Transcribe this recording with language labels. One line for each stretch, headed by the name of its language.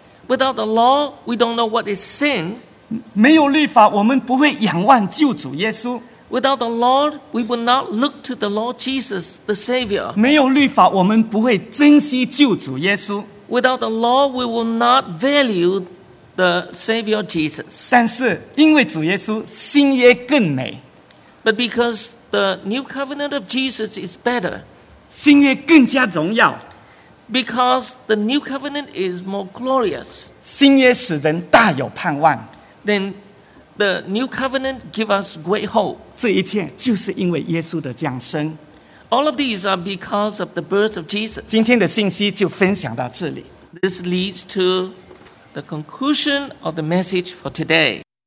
English: Without the law, we don't know what is sin.
Chinese: 没有律法，我们不会仰望救主耶稣。
English: Without the law, we would not look to the Lord Jesus, the Savior.
Chinese: 没有律法，我们不会珍惜救主耶稣。
English: Without the law, we would not value the Savior Jesus.
Chinese: 但是因为主耶稣，新约更美。
English: But because the new covenant of Jesus is better.
Chinese: 新约更加荣耀。
English: Because the new covenant is more glorious,
Chinese: 新约使人大有盼望。
English: Then the new covenant gives us great hope.
Chinese: 这一切就是因为耶稣的降生。
English: All of these are because of the birth of Jesus.
Chinese: 今天的信息就分享到这里。
English: This leads to the conclusion of the message for today.